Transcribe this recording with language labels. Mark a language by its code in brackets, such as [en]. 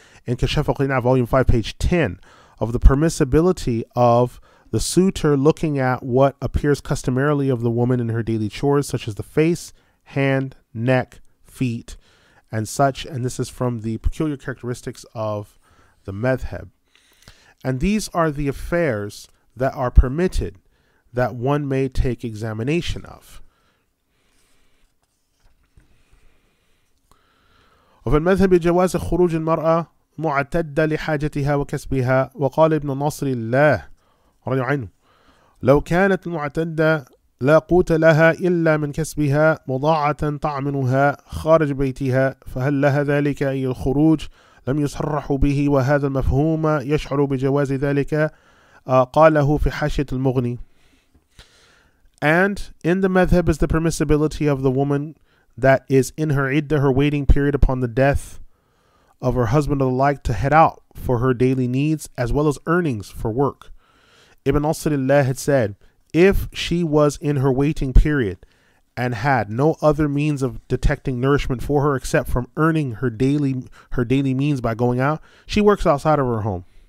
[en] and Kashaf al-Qina, volume 5, page 10, of the permissibility of the suitor looking at what appears customarily of the woman in her daily chores, such as the face, hand, neck, feet, and such. And this is from the peculiar characteristics of the madhab. And these are the affairs that are permitted that one may take examination of. [ar] وفي المذهب جواز خروج المرأة معتدة لحاجتها وكسبها وقال ابن نصر الله رضي الله عنه لو كانت معتدة لا قوت لها إلا من كسبها مضاعة تعمنها خارج بيتها فهل لها ذلك أي الخروج لم يصرح به وهذا المفهوم يشعر بجواز ذلك قاله في حاشية المغني. [en] And in the madhab is the permissibility of the woman that is in her iddah, her waiting period upon the death of her husband or the like, to head out for her daily needs as well as earnings for work. Ibn al-Sirillah had said, if she was in her waiting period and had no other means of detecting nourishment for her except from earning her daily means by going out, she works outside of her home.